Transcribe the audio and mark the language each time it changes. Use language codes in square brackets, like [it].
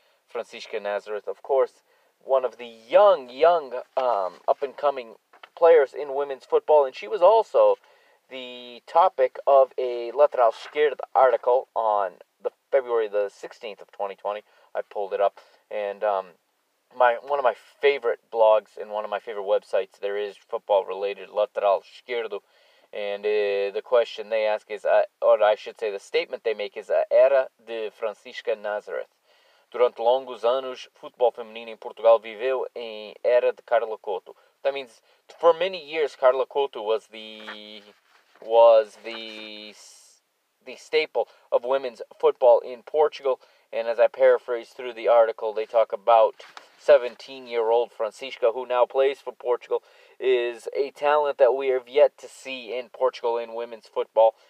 [en] Francisca Nazareth, of course, one of the young, up-and-coming players in women's football, and she was also the topic of a Lateral Esquerda article on the February the 16th of 2020. I pulled it up, and one of my favorite blogs and one of my favorite websites there is football-related, Lateral Esquerdo, and the question they ask is, or I should say the statement they make is, Era de Francisca Nazareth. [pt] Durante longos anos, futebol feminino em Portugal viveu em era de Carla Couto. [en] That means, for many years, Carla Couto was the staple of women's football in Portugal. And as I paraphrase through the article, they talk about 17-year-old Francisca, who now plays for Portugal, is a talent that we have yet to see in Portugal in women's football.